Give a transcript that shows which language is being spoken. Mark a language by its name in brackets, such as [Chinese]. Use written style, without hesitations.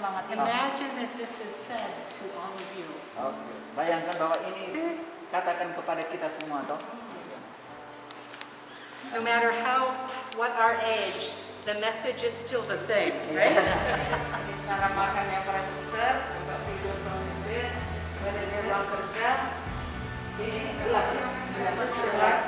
[English] Imagine that this is said to all of you. Okay. [Indonesian] Bayangkan bahwa ini katakan kepada kita semua, toh. [English] No matter how, what our age, the message is still the same, right? [Indonesian] Cara makannya para suster, tempat tidur pemimpin, manajer ruang kerja, ini kelas ya, kelas kelas.